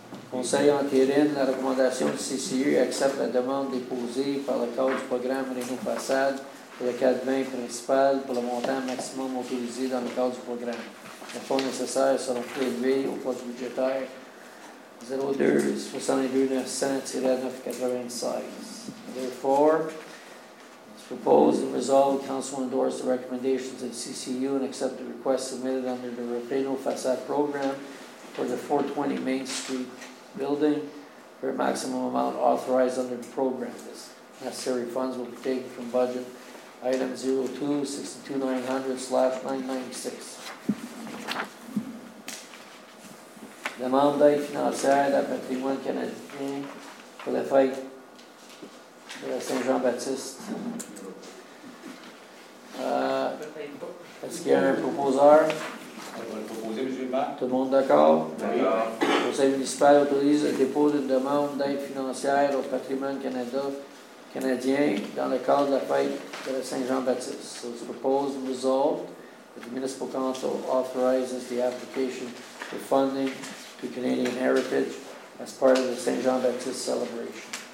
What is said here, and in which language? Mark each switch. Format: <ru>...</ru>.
<fr>Conseil entérine, la recommandation du CCU accepte la demande déposée par le cadre du programme Réno façade pour le 420 principal pour le montant maximum autorisé dans le cadre du programme. Les fonds nécessaires seront prélevés au poste budgétaire. 02-62-900-996.</fr> <en>Therefore, it's proposed and resolved Council endorse the recommendations of the CCU and accept the request submitted under the Repeno Facade Program for the 420 Main Street building for a maximum amount authorized under the program. This necessary funds will be taken from budget item 02-62900/996.</en> <fr>Demande d'aide financière de la patrimoine canadien pour la fête de la Saint-Jean-Baptiste. Est-ce qu'il y a un proposeur? On va le proposer, M. le maire. Tout le monde d'accord? D'accord. Le conseil municipal autorise le dépôt d'une demande d'aide financière au patrimoine canadien dans le cadre de la fête de la Saint-Jean-Baptiste.</fr> <en>So it's proposed and resolved that the municipal council authorizes the application for funding to Canadian Heritage as part of the Saint Jean Baptiste celebration.</en>